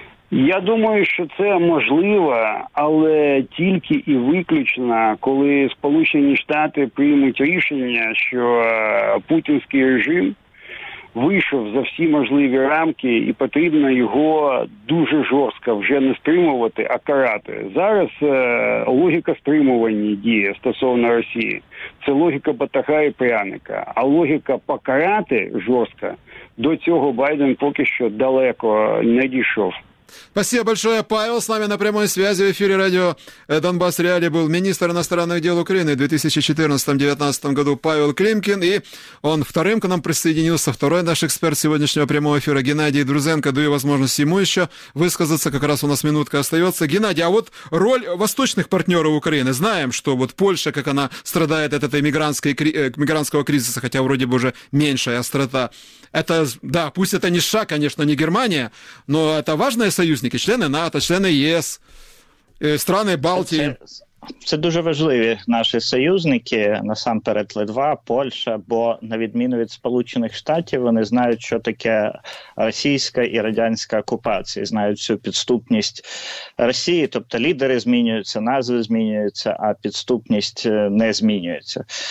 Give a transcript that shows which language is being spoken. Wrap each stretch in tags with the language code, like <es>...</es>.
<uk>Я думаю, що це можливо, але тільки і виключно, коли Сполучені Штати приймуть рішення, що путінський режим вийшов за всі можливі рамки і потрібно його дуже жорстко вже не стримувати, а карати. Зараз логіка стримування діє стосовно Росії. Це логіка Батага і Пряника. А логіка покарати жорстко, до цього Байден поки що далеко не дійшов.</uk> <ru>Спасибо большое, Павел. С нами на прямой связи в эфире радио «Донбасс Реалии» был министр иностранных дел Украины в 2014-2019 году Павел Климкин. И он вторым к нам присоединился, второй наш эксперт сегодняшнего прямого эфира Геннадий Друзенко. Даю возможность ему еще высказаться. Как раз у нас минутка остается. Геннадий, а вот роль восточных партнеров Украины. Знаем, что вот Польша, как она страдает от этой мигрантского кризиса, хотя вроде бы уже меньшая острота. Это, да, пусть это не США, конечно, не Германия, но это важно.</ru> <uk>Союзники, члени НАТО, члени ЄС, страни Балтії. Це дуже важливі наші союзники, насамперед Литва, Польща, бо на відміну від Сполучених Штатів, вони знають, що таке російська і радянська окупація, знають всю підступність Росії, тобто лідери змінюються, назви змінюються, а підступність не змінюється.</uk>